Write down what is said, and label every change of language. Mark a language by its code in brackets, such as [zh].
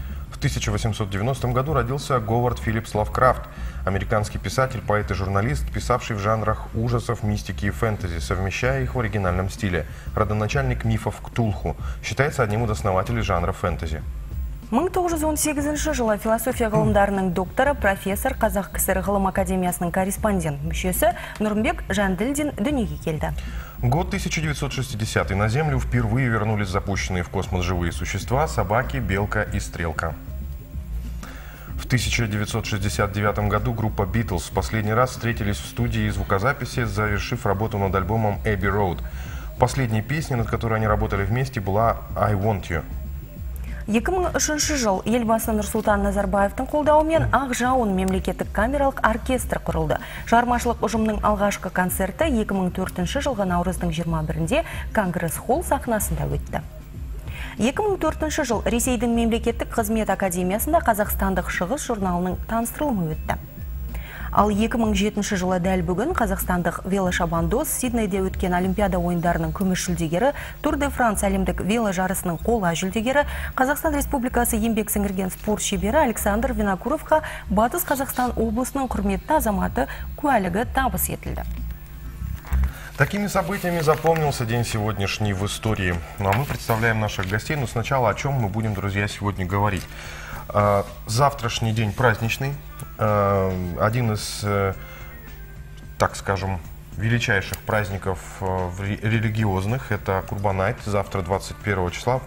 [ru] В 1890 году родился Говард Филлипс Лавкрафт, американский писатель, поэт и журналист, писавший в жанрах ужасов, мистики и фэнтези, совмещая их в оригинальном стиле, родоначальник мифов Ктулху, считается одним из основателей жанра фэнтези. [kk] 1918 жылы философия ғылымдарының докторы, профессор, Қазақ КСР ғылым академиясының корреспондент мүшесі Нұрымбек Жанділдин дүниеге келді. [ru] Год 1960-й. На Землю впервые вернулись запущенные в космос живые существа – собаки, белка и стрелка. В 1969 году группа «Битлз» в последний раз встретились в студии звукозаписи, завершив работу над альбомом «Abbey Road». Последней песней, над которой они работали вместе, была «I Want You». [kk] 2003 жыл елбасы Нұрсұлтан Назарбаевтың қолдауымен Ақ жауын мемлекеттік камералық оркестр құрылды. Шығармашылық ұжымның алғашқы концерті 2004 жылғы наурыздың 21-де Конгресс Холл сахнасында өтті. 2004 жыл Ресейдің мемлекеттік қызмет академиясында Қазақстандық шығыс журналының таныстырылымы өтті. Ал 2007 жылы дәл бүгін қазақстандық велошабандоз Сиднейде өткен олимпиада ойындарының күміс жүлдегері, Тур де Франс әлемдік веложарысының қола жүлдегері, Қазақстан Республикасы еңбек сіңірген спорт шебері Александр Винокуровқа Батыс Қазақстан облысының құрметті азаматы куәлігі табыс етілді. [ru] Такими событиями запомнился день сегодняшний в истории. Ну а мы представляем наших гостей, но сначала о чем мы будем, друзья, сегодня говорить. Завтрашний день праздничный, один из, так скажем, величайших праздников религиозных, это Курбанайт, завтра 21 числа.